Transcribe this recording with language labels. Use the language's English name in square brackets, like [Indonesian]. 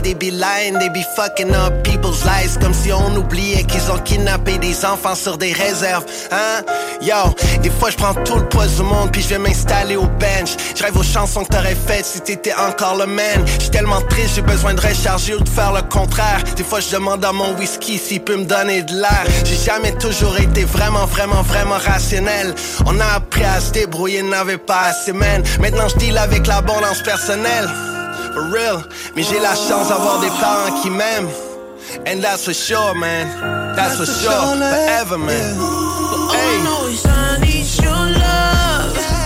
[English] They be lying, they be fucking up people's lives. [French] Comme si on oubliait qu'ils ont kidnappé des enfants sur des réserves, hein? Yo, des fois j'prends tout le poids du monde puis j'vais m'installer au bench. J'rêve aux chansons que t'aurais faites si t'étais encore le man. J'suis tellement triste, j'ai besoin de recharger ou de faire le contraire. Des fois j'demande à mon whisky s'il peut me donner de l'air. J'ai jamais toujours été vraiment, vraiment, vraiment rationnel. On a appris à se débrouiller, n'avait pas assez, man. Maintenant j'deal avec l'abondance personnelle. [English] For real. [French] Mais j'ai la chance d'avoir des parents qui m'aiment. [English] And that's for sure, man. That's for sure. Forever, man. All I know is I need your love.